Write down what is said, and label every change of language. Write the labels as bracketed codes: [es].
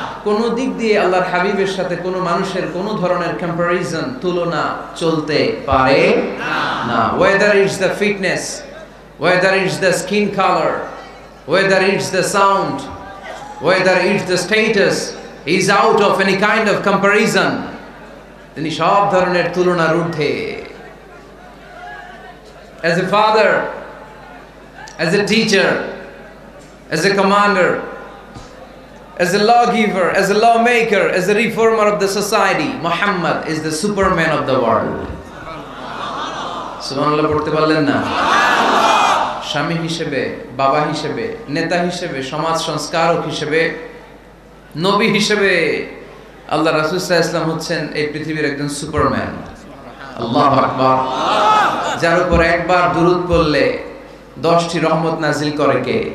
[bn] কোন দিক দিয়ে আল্লাহর হাবিবের সাথে কোনো মানুষের কোনো ধরনের কম্পারিজন, তুলনা চলতে পারে? না। [en] Whether is the fitness, whether is the skin colour, whether is the sound, whether is the status, is out of any kind of comparison. [bn] তিনি সব ধরনের তুলনার ঊর্ধ্বে। [en] As a father, as a teacher, as a commander, as a lawgiver, as a lawmaker, as a reformer of the society, Muhammad is the superman of the world. [bn] সুবহানাল্লাহ পড়তে পারলেন না? স্বামী হিসেবে, বাবা হিসেবে, নেতা হিসেবে, সমাজ সংস্কারক হিসেবে, নবী হিসেবে আল্লাহ রাসূল সাল্লাল্লাহু আলাইহি ওয়া সাল্লাম হচ্ছেন এই পৃথিবীর একজন সুপারম্যান। আল্লাহু আকবার। যার উপর একবার দুরুদ পড়লে 10টি রহমত নাজিল করে কে?